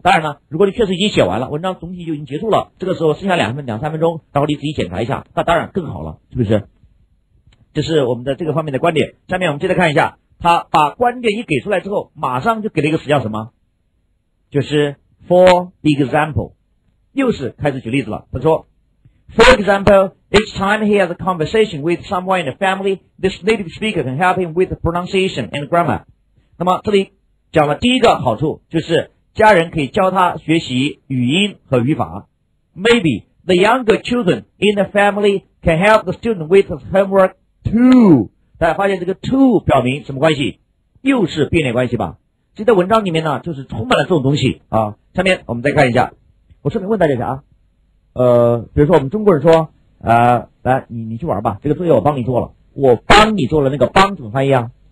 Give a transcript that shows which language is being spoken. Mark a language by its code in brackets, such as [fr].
[zh] 当然呢如果你确实已经写完了，文章总体就已经结束了，这个时候剩下两三分钟，然后你自己检查一下，那当然更好了，是不是？这是我们的这个方面的观点。下面我们接着看一下他把关键一给出来之后，马上就给了一个词叫什么？就是 for example， 又是开始举例子了。他说 [en] ，For example， each time he has a conversation with someone in the family， this native speaker can help him with the pronunciation and grammar。 [zh] 那么这里讲了第一个好处，就是家人可以教他学习语音和语法。 [en] Maybe the younger children in the family can help the student with his homework too。 [zh] 大家发现这个 to 表明什么关系？又是变脸关系吧？这在文章里面呢，就是充满了这种东西啊。下面我们再看一下，我顺便问大家一下啊，比如说我们中国人说，来你去玩吧，这个作业我帮你做了，我帮你做了，那个帮怎么翻译啊？